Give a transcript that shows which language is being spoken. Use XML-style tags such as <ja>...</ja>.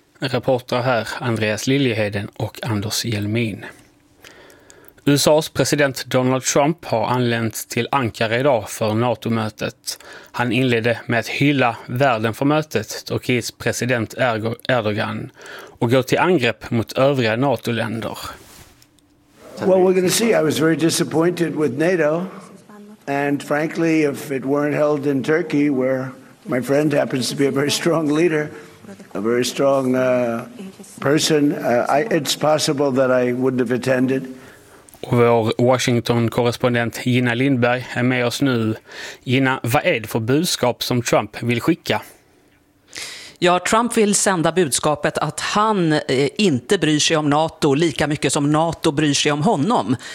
<sv>Rapporter här Andreas Liljeheden och Anders Hjelmin. USAs president Donald Trump har anlänt till Ankara idag för NATO-mötet. Han inledde med att hylla världen för mötet, Turkiets president Erdogan, och går till angrepp mot övriga NATO-länder.</sv> <en>Well, we're going to see. I was very disappointed with NATO. And frankly, if it weren't held in Turkey, where my friend happens to be a very strong leader, a very strong person, it's possible that I wouldn't have attended.</en> <sv>Och vår Washington-korrespondent Gina Lindberg är med oss nu. Gina, vad är det för budskap som Trump vill skicka? Ja, Trump vill sända budskapet att han inte bryr sig om NATO lika mycket som NATO bryr sig om honom.</sv>